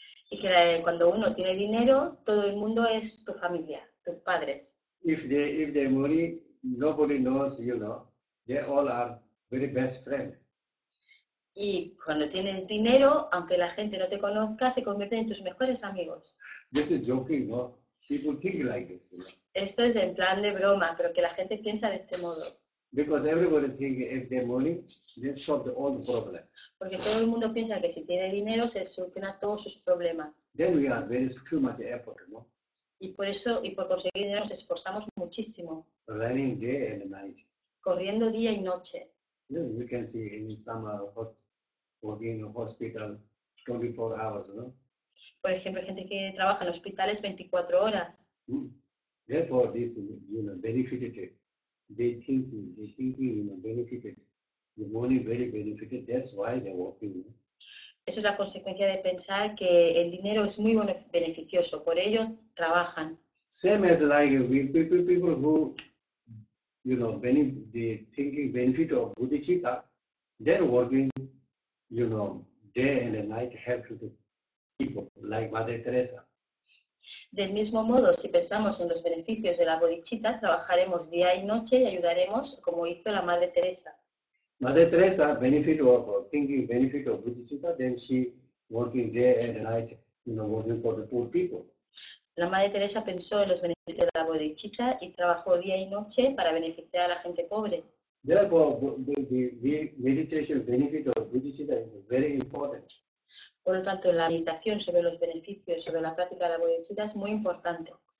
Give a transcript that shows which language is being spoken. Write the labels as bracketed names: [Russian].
[Spanish] Y que cuando uno tiene dinero, todo el mundo es tu familia, tus padres. [English] If they money, nobody knows, you know, they all are very best friends. [Spanish] Y cuando tienes dinero, aunque la gente no te conozca, se convierten en tus mejores amigos. [English] This is joking, no? People think like this, you know? [Spanish] Esto es en plan de broma, pero que la gente piensa de este modo. [English] Because everybody thinks if they money, they solve all the problems. [Spanish] Porque todo el mundo piensa que si tiene dinero se soluciona todos sus problemas. [English] Then we are very too much effort, no? [Spanish] Y por eso, y por conseguir dinero, nos esforzamos muchísimo. [English] Running day and night. [Spanish] Corriendo día y noche. [English] Yeah, you can see in some working hospital 24 hours, no? [Spanish] Por ejemplo, gente que trabaja en hospitales 24 horas. [English] Therefore, this, you know, benefited. They thinking, you know, benefited. The money very benefited. That's why they're working. [Spanish] Eso es la consecuencia de pensar que el dinero es muy beneficioso. Por ello, trabajan. [English] Same as like people who, you know, they thinking benefit of bodhicitta, they're working, you know, day and night to help the people, like Madre Teresa. [Spanish] Del mismo modo, si pensamos en los beneficios de la bodhicitta, trabajaremos día y noche y ayudaremos como hizo la Madre Teresa. [English] Madre Teresa benefit of thinking benefit of bodhicitta, then she working day and night, you know, working for the poor people. [Spanish] La Madre Teresa pensó en los beneficios de la bodhicitta y trabajó día y noche para beneficiar a la gente pobre. [English] Therefore, the meditation benefit of bodhicitta is very important. [Spanish] Por lo tanto, la meditación sobre los beneficios, sobre la práctica de la bodhicitta es muy importante.